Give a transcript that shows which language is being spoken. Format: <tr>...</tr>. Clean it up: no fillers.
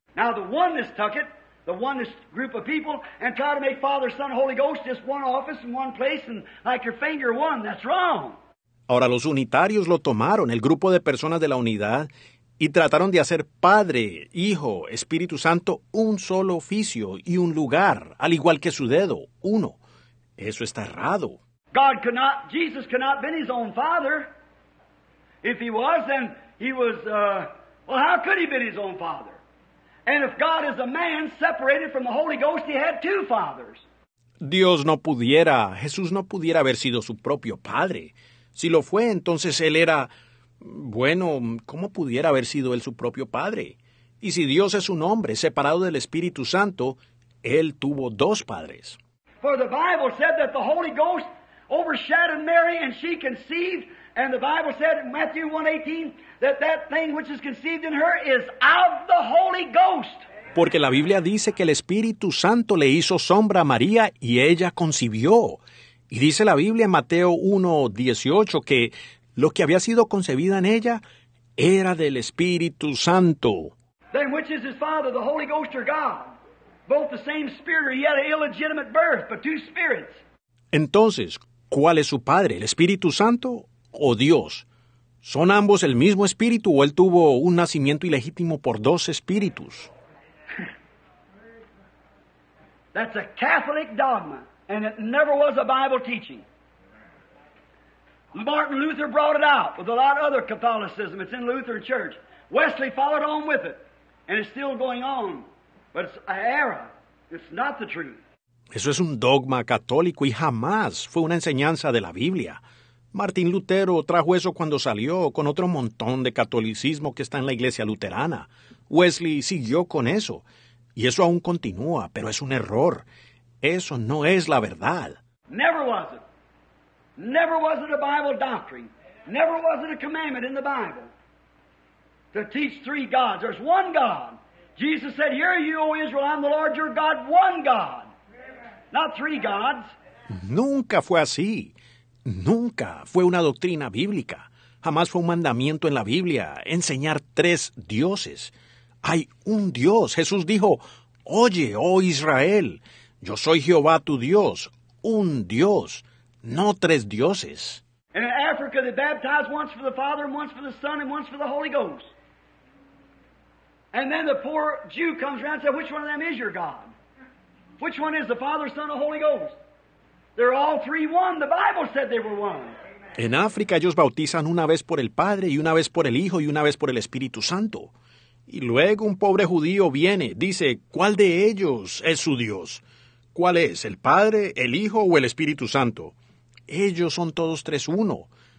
<en>Now the oneness took it, the oneness group of people, and try to make Father, Son, Holy Ghost just one office in one place, and like your finger one, that's wrong.</en> <es>Ahora los unitarios lo tomaron, el grupo de personas de la unidad, y trataron de hacer Padre, Hijo, Espíritu Santo, un solo oficio y un lugar, al igual que su dedo, uno. Eso está errado.</es> <en>God could not, Jesus could not be his own Father. If he was, then he was, well, how could he be his own Father? And if God is a man separated from the Holy Ghost, he had two fathers.</en> <es>Dios no pudiera, Jesús no pudiera haber sido su propio Padre. Si lo fue, entonces él era, bueno, ¿cómo pudiera haber sido él su propio Padre? Y si Dios es un hombre separado del Espíritu Santo, él tuvo dos padres.</es> <en>For the Bible said that the Holy Ghost overshadowed Mary and she conceived. And the Bible said in Matthew 1:18 that that thing which is conceived in her is of the Holy Ghost.</en> <es>Porque la Biblia dice que el Espíritu Santo le hizo sombra a María y ella concibió. Y dice la Biblia en Mateo 1:18 que lo que había sido concebida en ella era del Espíritu Santo.</es> <en>Then which is his Father, the Holy Ghost or God? Both the same spirit, yet an illegitimate birth, but two spirits.</en> <es>Entonces, ¿cuál es su Padre, el Espíritu Santo o Dios? ¿Son ambos el mismo espíritu o él tuvo un nacimiento ilegítimo por dos espíritus?</es> <en>That's a Catholic dogma, and it never was a Bible teaching. Martin Luther brought it out with a lot of other Catholicism. It's in Lutheran church. Wesley followed on with it, and it's still going on. But it's an error. It's not the truth.</en> <es>Eso es un dogma católico y jamás fue una enseñanza de la Biblia. Martín Lutero trajo eso cuando salió con otro montón de catolicismo que está en la iglesia luterana. Wesley siguió con eso. Y eso aún continúa, pero es un error. Eso no es la verdad.</es> <en>Never was it. Never was it a Bible doctrine. Never was it a commandment in the Bible to teach three gods. There's one God. Jesus said, "Hear you, O Israel, I'm the Lord your God, one God." Not three gods.</en> <es>Nunca fue así. Nunca fue una doctrina bíblica. Jamás fue un mandamiento en la Biblia enseñar tres dioses. Hay un Dios. Jesús dijo, oye, oh Israel, yo soy Jehová tu Dios. Un Dios, no tres dioses.</es> <en>And in Africa, they baptized once for the Father, and once for the Son, and once for the Holy Ghost. And then the poor Jew comes around and says, which one of them is your God? Which one is the Father, Son, or Holy Ghost? They're all three one. The Bible said they were one.</en> <es>En África ellos bautizan una vez por el Padre, y una vez por el Hijo, y una vez por el Espíritu Santo. Y luego un pobre judío viene, dice, ¿cuál de ellos es su Dios? ¿Cuál es, el Padre, el Hijo o el Espíritu Santo? Ellos son todos tres uno.</es>